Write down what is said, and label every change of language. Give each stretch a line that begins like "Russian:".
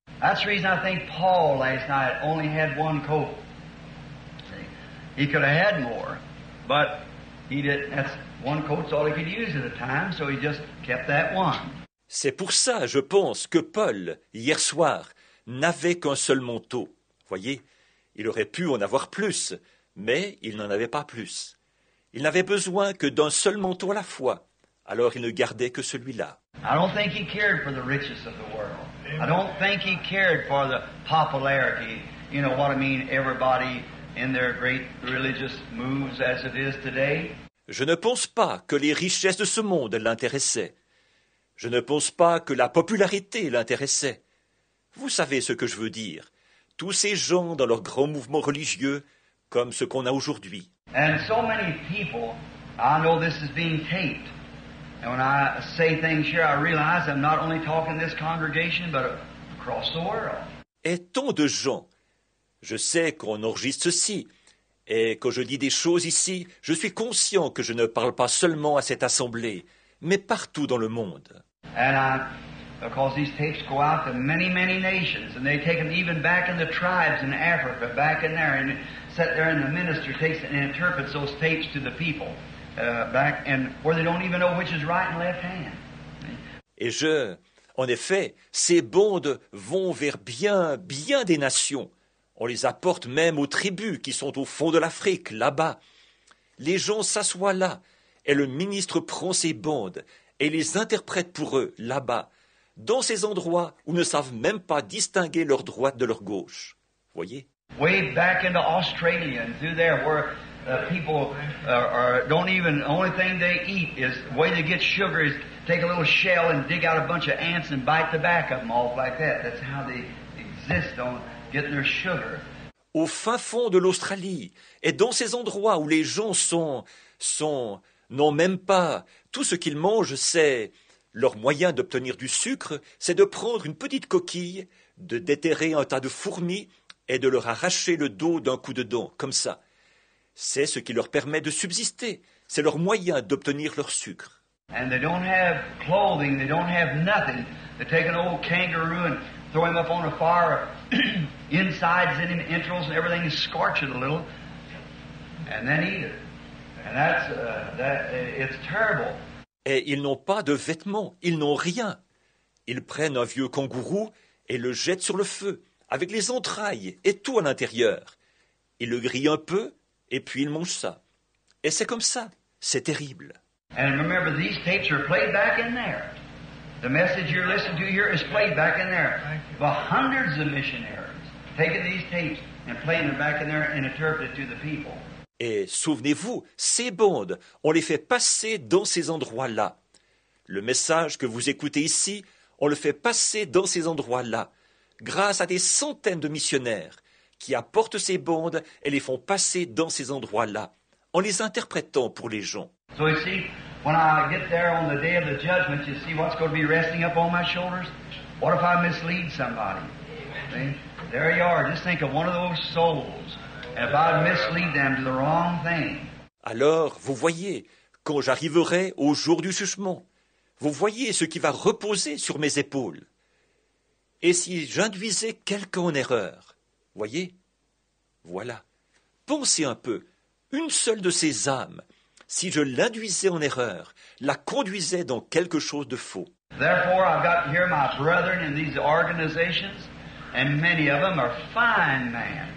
English: That's the reason I think Paul last night only had one coat. He could have had more, but he didn't. That's one coat's all he could use at the time, so he just kept that one.
French: C'est pour ça, je pense, que Paul, hier soir, n'avait qu'un seul manteau. Voyez, il aurait pu en avoir plus, mais il n'en avait pas plus. Il n'avait besoin que d'un seul manteau à la fois, alors il ne gardait que celui-là.
English: I don't think he cared for the riches of the world. I don't think he cared for the popularity, you know what I mean, everybody in their great religious moves as it is today.
French: Je ne pense pas que les richesses de ce monde l'intéressaient. Je ne pense pas que la popularité l'intéressait. Vous savez ce que je veux dire. Tous ces gens dans leurs grands mouvements religieux, comme ce qu'on a aujourd'hui.
English: And so many people, I know this is being taped. And when I say things here, I realize I'm not only talking this congregation, but across the world.
French: Et tant de gens. Je sais qu'on enregistre ceci. Et quand je dis des choses ici, je suis conscient que je ne parle pas seulement à cette assemblée, mais partout dans le monde. And because these tapes go out to many, many nations, and they take them even back in the tribes in Africa, back in there, and sit there, and the minister takes and interprets those tapes to the people, back, and where they don't even know which is right and left hand. Et je, en effet, ces bandes vont vers bien, bien des nations. On les apporte même aux tribus qui sont au fond de l'Afrique, là-bas. Les gens s'assoient là. Et le ministre prend ses bandes et les interprète pour eux, là-bas, dans ces endroits où ne savent même pas distinguer leur droite de leur gauche. Voyez.
English: Way back into Australia, through there, where people don't even, the only thing they eat is, the way they get sugar is take a little shell and dig out a bunch of ants and bite the back of them off like that. That's how they exist on getting their sugar.
French: Au fin fond de l'Australie, et dans ces endroits où les gens sont... Non, même pas. Tout ce qu'ils mangent, c'est... Leur moyen d'obtenir du sucre, c'est de prendre une petite coquille, de déterrer un tas de fourmis et de leur arracher le dos d'un coup de dent, comme ça. C'est ce qui leur permet de subsister. C'est leur moyen d'obtenir leur sucre.
English: And they don't have clothing, they don't have nothing. They take an old kangaroo and throw him up on a fire. Insides in him, entrails and everything, and scorch it a little. And then eat it. And it's terrible.
French: Et ils n'ont pas de vêtements, ils n'ont rien. Ils prennent un vieux kangourou et le jettent sur le feu, avec les entrailles et tout à l'intérieur. Ils le grillent un peu et puis ils mangent ça. Et c'est comme ça, c'est terrible.
English: And remember, these tapes are played back in there. The message you're listening to here is played back in there. But hundreds of missionaries taking these tapes and playing them back in there and interpreting to the people.
French: Et souvenez-vous, ces bandes, on les fait passer dans ces endroits-là. Le message que vous écoutez ici, on le fait passer dans ces endroits-là, grâce à des centaines de missionnaires qui apportent ces bandes et les font passer dans ces endroits-là, en les interprétant pour les gens.
English: So you see, when I get there on the day of the judgment, you see what's going to be resting up on my shoulders? What if I mislead somebody? See? There you are, just think of one of those souls. If I mislead them to the wrong thing.
French: Alors, vous voyez, quand j'arriverai au jour du jugement, vous voyez ce qui va reposer sur mes épaules. Et si j'induisais quelqu'un en erreur, voyez, voilà, pensez un peu, une seule de ces âmes, si je l'induisais en erreur, la conduisais dans quelque chose de faux.
English: Therefore, I've got here my brethren in these organizations, and many of them are fine men.